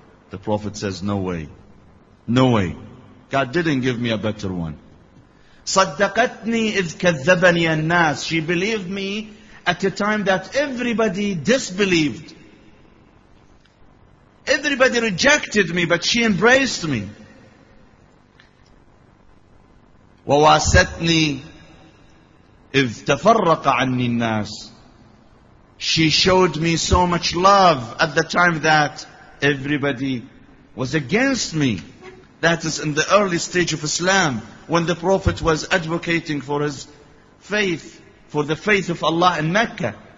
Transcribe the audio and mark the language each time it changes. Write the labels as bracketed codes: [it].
[en] The Prophet says, "No way. No way. God didn't give me a better one. [ar] صدقتني إذ كذبني الناس." [en] She believed me at a time that everybody disbelieved. Everybody rejected me, but she embraced me. [ar] وواستني إذ تفرق عني الناس. [en] She showed me so much love at the time that everybody was against me. That is in the early stage of Islam, when the Prophet was advocating for his faith, for the faith of Allah in Mecca.